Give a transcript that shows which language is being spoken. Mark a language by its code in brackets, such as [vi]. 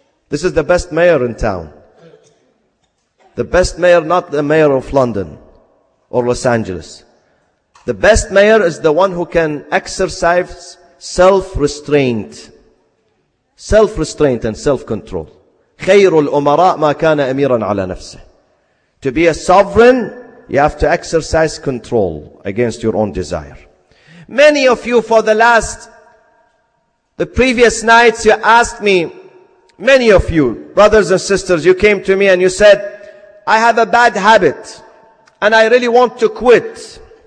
[en] This is the best mayor in town. The best mayor, not the mayor of London or Los Angeles. The best mayor is the one who can exercise self-restraint. Self-restraint and self-control. [ar] خير الأمراء ما كان أميرا على نفسه. [en] To be a sovereign, you have to exercise control against your own desire. Many of you for the previous nights, you asked me, many of you, brothers and sisters, you came to me and you said, I have a bad habit and I really want to quit.